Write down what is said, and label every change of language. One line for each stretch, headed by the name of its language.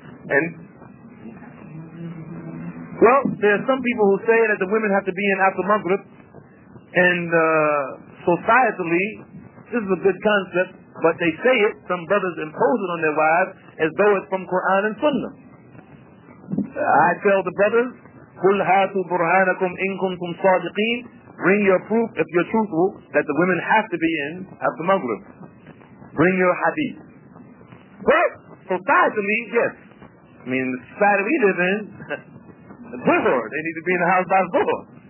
English: And, well, there are some people who say that the women have to be in after Maghrib, and societally, this is a good concept, but they say it, some brothers impose it on their wives, as though it's from Quran and Sunnah. I tell the brothers,
Arabic: قُلْ هَاتُوا بُرْهَانَكُمْ إِن كُنْتُمْ صَادِقِينَ.
English: Bring your proof, if you're truthful, that the women have to be in after Maghrib. Bring your hadith. But, societally, yes. I mean, the society we live in, Zuhur, they need to be in the house by Zuhur.